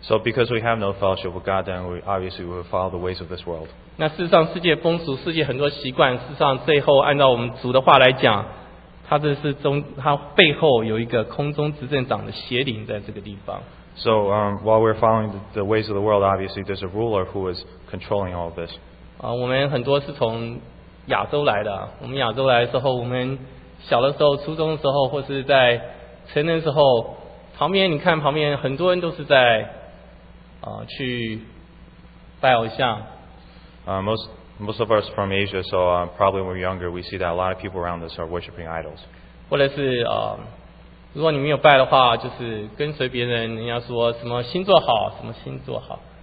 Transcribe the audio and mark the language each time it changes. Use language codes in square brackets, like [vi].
[en] So because we have no fellowship with God, then we obviously will follow the ways of this world. [zh] 那事实上，世界风俗、世界很多习惯，事实上最后按照我们主的话来讲，它背后有一个空中执政长的邪灵在这个地方。 [en] So while we're following the ways of the world, obviously there's a ruler who is controlling all of this. [zh] 我们很多是从亚洲来的。我们亚洲来的时候，我们小的时候、初中的时候，或是在成人的时候。旁边你看，旁边很多人都是在去拜偶像。 [en] Most of us from Asia, so probably when we're younger, we see that a lot of people around us are worshiping idols. [zh] 或者是如果你没有拜的话，就是跟随别人，人家说什么星座好，什么星座好。